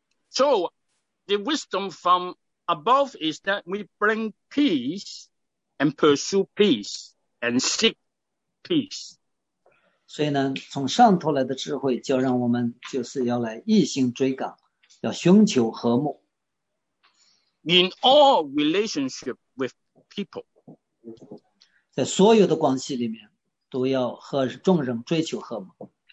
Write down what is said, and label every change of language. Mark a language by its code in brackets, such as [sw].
[en] So, the wisdom from above is that we bring peace and pursue peace and seek peace. [zh] 所以呢，从上头来的智慧就让我们就是要来一心追赶。要寻求和睦。 [en] In all relationship with people. [zh] 在所有的关系里面都要和众人追求和睦。